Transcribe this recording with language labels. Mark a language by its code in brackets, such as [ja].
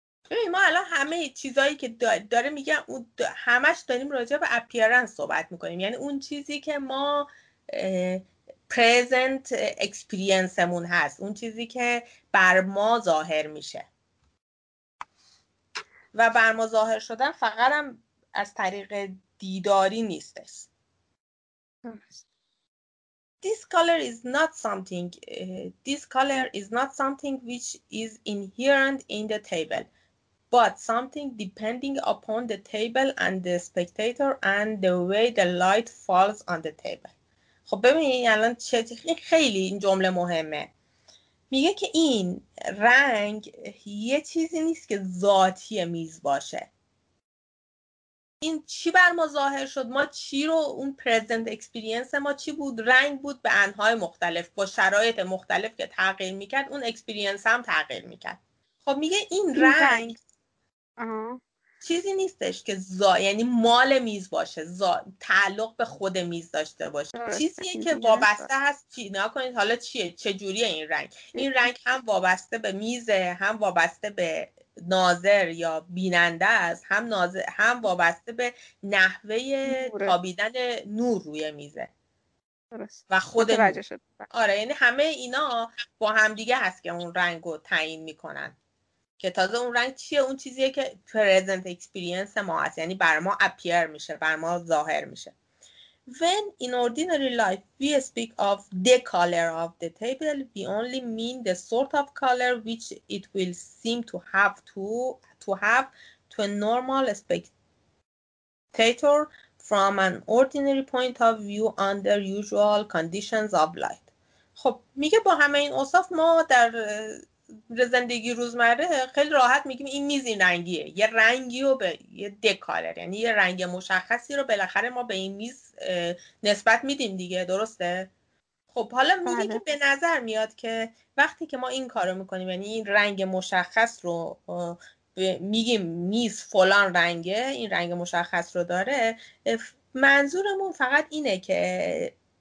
[fa] ببین ما الان همه چیزایی که داره میگه همش داریم راجع به اپیرنس صحبت میکنیم، یعنی اون چیزی که ما پرزنت اکسپریانسمون هست، اون چیزی که بر ما ظاهر میشه. و بر ما ظاهر شدن فقط هم از طریق دیداری نیستش. [en] This color is not something. This color is not something which is inherent in the table, but something depending upon the table and the spectator and the way the light falls on the table. [fa] خب ببینید الان خیلی این جمله مهمه. میگه که این رنگ یه چیزی نیست که ذاتی میز باشه. این چی بر ما ظاهر شد؟ ما چی رو اون پرزنت اکسپریانس ما چی بود؟ رنگ بود به انهای مختلف با شرایط مختلف که تغییر میکرد، اون اکسپریانس هم تغییر میکرد. خب میگه این رنگ چیزی نیستش که یعنی مال میز باشه، تعلق به خود میز داشته باشه. چیزیه که وابسته هست. چی نگاه کنید حالا چیه، چه جوریه این رنگ؟ این رنگ هم وابسته به میزه، هم وابسته به ناظر یا بیننده است، هم وابسته به نحوه تابیدن نور روی میزه. درست. و خود آره، یعنی همه اینا با هم دیگه هست که اون رنگو تعیین میکنن. که تازه اون رنگ چیه؟ اون چیزیه که present experience ما هست، یعنی بر ما appear میشه، بر ما ظاهر میشه. [en] When in ordinary life we speak of the color of the table, we only mean the sort of color which it will seem to have to a normal spectator from an ordinary point of view under usual conditions of light. [fa] خب میگه با همه این اوصاف ما در زندگی روزمره خیلی راحت میگیم این میز این رنگیه، یه رنگی رو به یه دکالر، یعنی یه رنگ مشخصی رو بالاخره ما به این میز نسبت میدیم دیگه، درسته؟ خب حالا میگه که به نظر میاد که وقتی که ما این کارو میکنیم، یعنی این رنگ مشخص رو میگیم میز فلان رنگه، این رنگ مشخص رو داره، منظورمون فقط اینه که